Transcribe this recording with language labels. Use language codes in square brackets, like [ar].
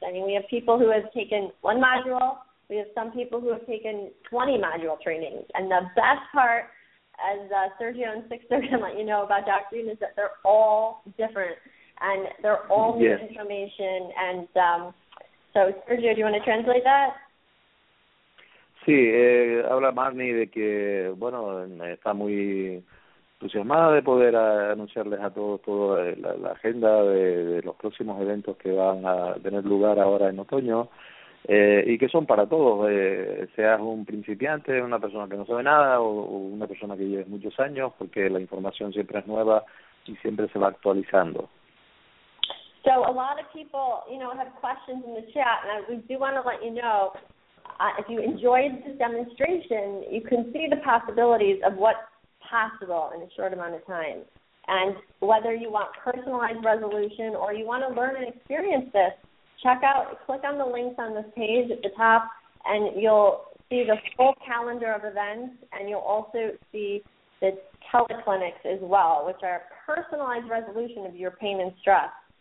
[en] I mean, we have people who have taken one module. We have some people who have taken 20 module trainings. And the best part, as Sergio and Sixto can let you know about doctrine, is that they're all different. And they're all new information. And so, Sergio, do you want to translate that? [es] Sí, habla Marnie de que, bueno, está muy entusiasmada de poder anunciarles a todos toda la agenda de los próximos eventos que van a tener lugar ahora en otoño, y que son para todos, seas un principiante, una persona que no sabe nada o una persona que lleves muchos años, porque la información siempre es nueva y siempre se va actualizando. [en] So a lot of people, you know, have questions in the chat, and we do want to let you know, if you enjoyed this demonstration, you can see the possibilities of what's possible in a short amount of time. And whether you want personalized resolution or you want to learn and experience this, click on the links on this page at the top, and you'll see the full calendar of events, and you'll also see the teleclinics as well, which are personalized resolution of your pain and stress.